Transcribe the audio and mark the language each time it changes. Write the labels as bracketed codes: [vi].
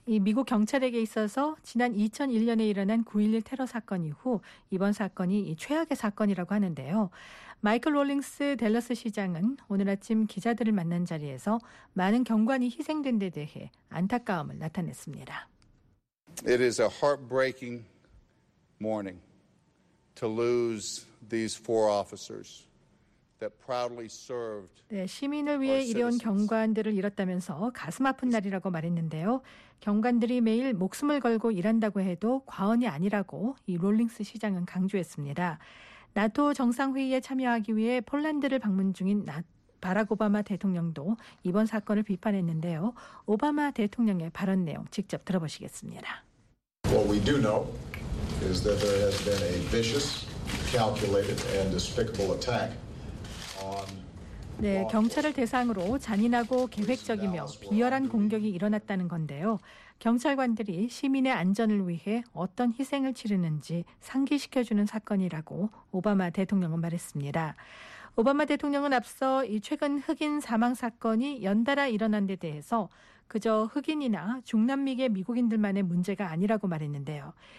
[ko] 이 미국 경찰에게 있어서 지난 2001년에 일어난 9.11 테러 사건 이후 이번 사건이 최악의 사건이라고 하는데요. 마이클 롤링스 댈러스 시장은 오늘 아침 기자들을 만난 자리에서 많은 경관이 희생된 데 대해 안타까움을 나타냈습니다. [en] It is a heartbreaking morning. To lose these four officers that proudly served. [ko] 네, 시민을 위해 일해온 경관들을 잃었다면서 가슴 아픈 날이라고 말했는데요. 경관들이 매일 목숨을 걸고 일한다고 해도 과언이 아니라고 이 롤링스 시장은 강조했습니다. 나토 정상회의에 참여하기 위해 폴란드를 방문 중인 바락 오바마 대통령도 이번 사건을 비판했는데요. 오바마 대통령의 발언 내용 직접 들어보시겠습니다. [en] What we do know. Is that there has been a vicious, calculated, and despicable attack on. [ko] 네, 경찰을 대상으로 잔인하고 계획적이며 비열한 공격이 일어났다는 건데요. 경찰관들이 시민의 안전을 위해 어떤 희생을 치르는지 상기시켜주는 사건이라고 오바마 대통령은 말했습니다. 오바마 대통령은 앞서 이 최근 흑인 사망 사건이 연달아 일어난 데 대해서 그저 흑인이나 중남미계 미국인들만의 문제가 아니라고 말했는데요.